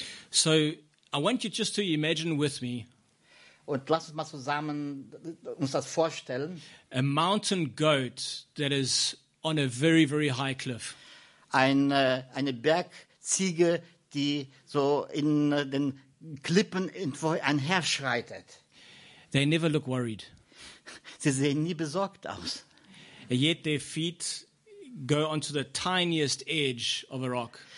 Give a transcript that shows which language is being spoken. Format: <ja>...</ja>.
<en>So I want you just to imagine with me.</en> <de>Und lass uns mal zusammen uns das vorstellen.</de> <en>A mountain goat that is on a very, very high cliff.</en> <de>Eine Bergziege, die so in den Klippen irgendwo einherschreitet.</de> <en>They never look worried.</en> <de>Sie sehen nie besorgt aus.</de> <en>And yet their feet go onto the tiniest edge of a rock.</en>